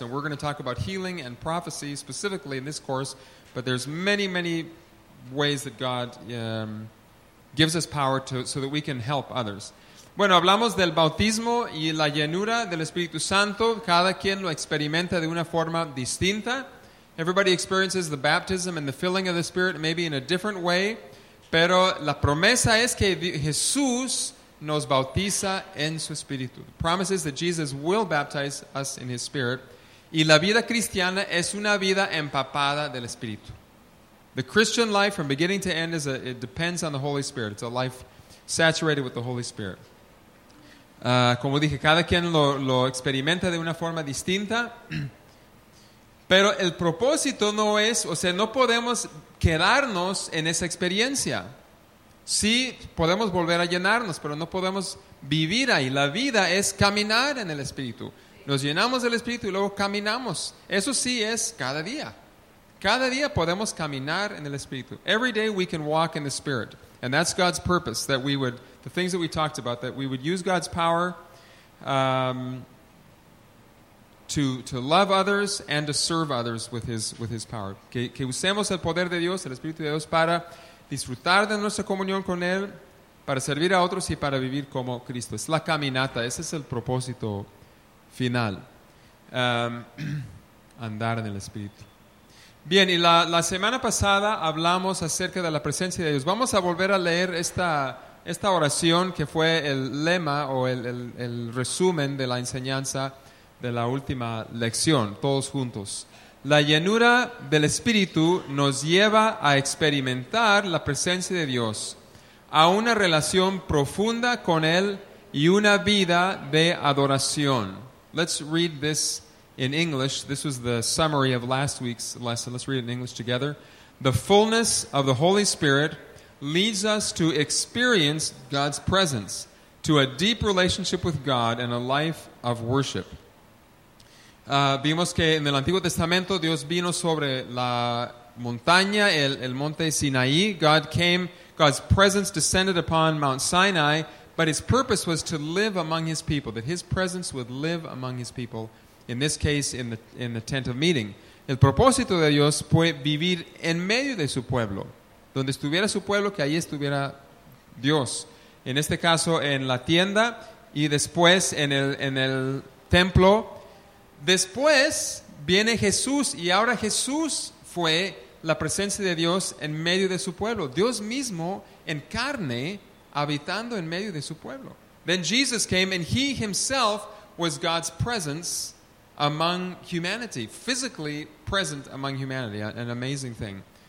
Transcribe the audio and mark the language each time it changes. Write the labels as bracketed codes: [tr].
[en] And we're going to talk about healing and prophecy specifically in this course. But there's many, many ways that God gives us power to so that we can help others. [es] Bueno, hablamos del bautismo y la llenura del Espíritu Santo. Cada quien lo experimenta de una forma distinta. [en] Everybody experiences the baptism and the filling of the Spirit maybe in a different way. [es] Pero la promesa es que Jesús nos bautiza en su Espíritu. [en] The promise is that Jesus will baptize us in His Spirit. [es] Y la vida cristiana es una vida empapada del Espíritu. [en] The Christian life from beginning to end it depends on the Holy Spirit. It's a life saturated with the Holy Spirit. [es] Como dije, cada quien lo experimenta de una forma distinta. Pero el propósito no es, o sea, no podemos quedarnos en esa experiencia. Sí, podemos volver a llenarnos, pero no podemos vivir ahí. La vida es caminar en el Espíritu. Nos llenamos del Espíritu y luego caminamos. Eso sí es cada día. Cada día podemos caminar en el Espíritu. [en] Every day we can walk in the Spirit. And that's God's purpose, that we would, the things that we talked about, that we would use God's power to love others and to serve others with his power. [es] Que usemos el poder de Dios, el Espíritu de Dios, para disfrutar de nuestra comunión con Él, para servir a otros y para vivir como Cristo. Es la caminata, ese es el propósito final. Andar en el Espíritu. Bien, y la semana pasada hablamos acerca de la presencia de Dios. Vamos a volver a leer esta oración que fue el lema o el resumen de la enseñanza de la última lección, todos juntos. La llenura del Espíritu nos lleva a experimentar la presencia de Dios, a una relación profunda con Él y una vida de adoración. [en] Let's read this in English. This was the summary of last week's lesson. Let's read it in English together. The fullness of the Holy Spirit leads us to experience God's presence, to a deep relationship with God and a life of worship. [es] Vimos que en el Antiguo Testamento Dios vino sobre la montaña, el monte Sinaí. [en] God came, God's presence descended upon Mount Sinai, but his purpose was to live among his people, that his presence would live among his people, in this case, in the tent of meeting. [es] El propósito de Dios fue vivir en medio de su pueblo. Donde estuviera su pueblo, que ahí estuviera Dios. En este caso, en la tienda, y después en el templo. Después viene Jesús, y ahora Jesús fue la presencia de Dios en medio de su pueblo. Dios mismo en carne, habitando en medio de su pueblo. [en] Then Jesus came, and he himself was God's presence among humanity, physically present among humanity, an amazing thing.